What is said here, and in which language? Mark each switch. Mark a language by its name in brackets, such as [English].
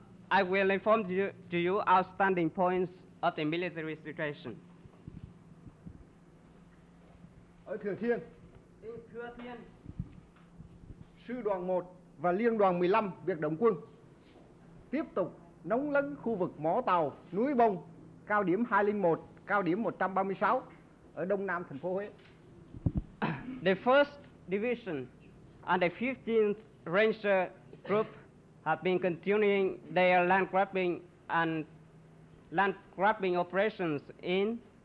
[English] I will inform you outstanding points of the military situation. [Vietnamese] Ở Thừa Thiên, Sư đoàn 1 và Liên đoàn 15 biệt động quân tiếp tục nóng lấn khu vực mỏ tàu núi Bông, cao điểm 201, cao điểm 136 ở đông nam thành phố Huế. [English] The 1st Division and the 15th Ranger Group have been continuing their land grabbing and land grabbing operations in